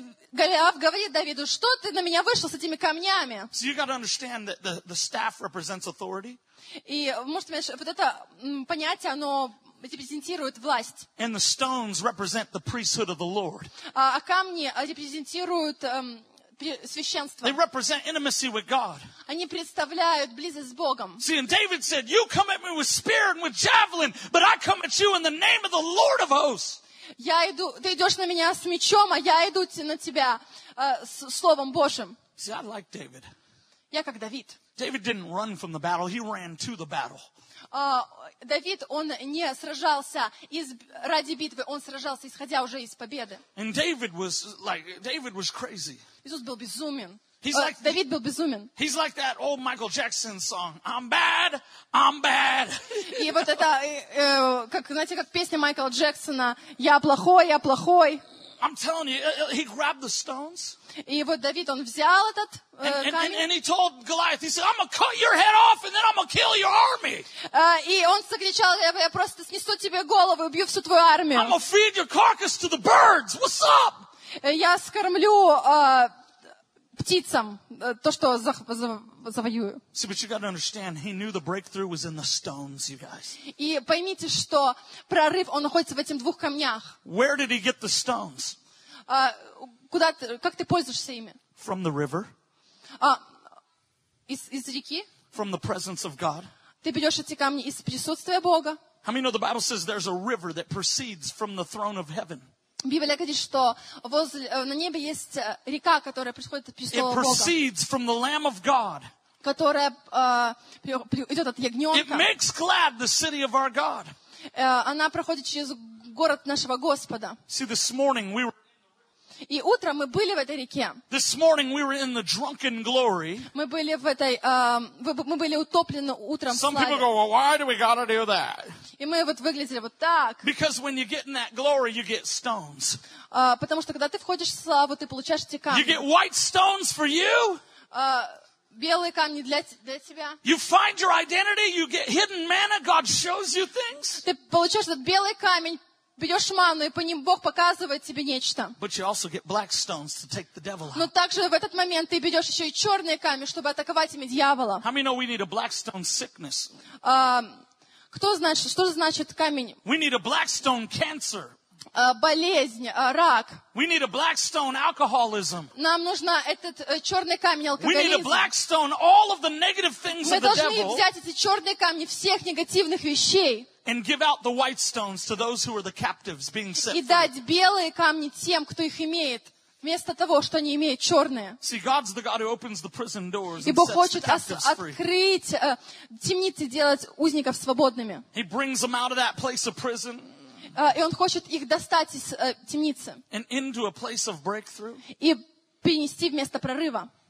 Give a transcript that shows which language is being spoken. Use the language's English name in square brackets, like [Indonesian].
[Russian] Голиаф говорит Давиду, что ты на меня вышел с этими камнями? [English] So you got to understand that the staff represents authority. [Russian] И, может, вот это понятие, оно репрезентирует власть. [English] And the stones represent the priesthood of the Lord. [Russian] А камни репрезентируют священство. [English] They represent intimacy with God. [Russian] Они представляют близость с Богом. [English] See, and David said, you come at me with spear and with javelin, but I come at you in the name of the Lord of hosts. [Russian] Я иду, ты идешь на меня с мечом, а я иду на тебя с Словом Божьим. [English] See, I like David. [Russian] Я как Давид. [English] David didn't run from the battle, he ran to the battle. [Russian] Давид, он не сражался ради битвы, он сражался, исходя уже из победы. [English] And David was like, David was crazy. [Russian] Иисус был безумен. Давид был безумен. [English] He's like that old Michael Jackson song. I'm bad, I'm bad. [Russian] И вот это, как, знаете, как песня Майкла Джексона. Я плохой, я плохой. [English] I'm telling you, he grabbed the stones. [Russian] И вот Давид, он взял этот камень. [English] And he told Goliath, he said, I'm gonna cut your head off and then I'm gonna kill your army. [Russian] И он закричал, я просто снесу тебе голову и убью всю твою армию. [English] I'm gonna feed your carcass to the birds. What's up? [Russian] Я скормлю птицам, то, что завоюю. [English] See, but you gotta understand, he knew the breakthrough was in the stones, you guys. [Russian] И поймите, что прорыв, он находится в этих двух камнях. [English] Where did he get the stones? [Russian] Куда ты, как ты пользуешься ими? [English] From the river. [Russian] Из реки? [English] From the presence of God. [Russian] Ты берешь эти камни из присутствия Бога. [English] How many know the Bible says there's a river that proceeds from the throne of heaven? [Russian] Библия говорит, что на небе есть река, которая происходит от престола Бога. [English] It proceeds from the Lamb of God. [Russian] Которая идет от ягненка. [English] It makes glad the city of our God. [Russian] Она проходит через город нашего Господа. [English] See, this morning we were. [Russian] И утром мы были в этой реке. [English] This morning we were in the drunken glory. [Russian] Мы были в этой, мы были утоплены утром. [English] Some people go, well, why do we gotta do that? [Russian] И мы вот выглядели вот так. [English] Because when you get in that glory, you get stones. [Russian] Потому что когда ты входишь в славу, ты получаешь эти камни. [English] You get white stones for you. [Russian] Белые камни для тебя. [English] You find your identity, you get hidden manna, God shows you things. [Russian] Ты получаешь этот белый камень. Берешь ману, и по ним Бог показывает тебе нечто. Но также в этот момент ты берешь еще и черные камни, чтобы атаковать ими дьявола. Кто знает, что же значит камень? [English] We need a black stone cancer. [Russian] Болезнь, рак. [English] We need a black stone alcoholism. [Russian] Нам нужно этот черный камень алкоголизм. [English] We need a black stone all of the negative things of the devil. [Russian] Мы должны взять эти черные камни всех негативных вещей. [English] And give out the white stones to those who are the captives being set free. [Russian] И дать белые камни тем, кто их имеет, вместо того, что они имеют черные. [English] See, God's the God who opens the prison doors and sets the captives free. [Russian] Открыть темницы, делать узников свободными. [English] He brings them out of that place of prison. [Russian] И он хочет их достать из темницы. [English] And into a place of breakthrough. [Russian] И перенести в место прорыва.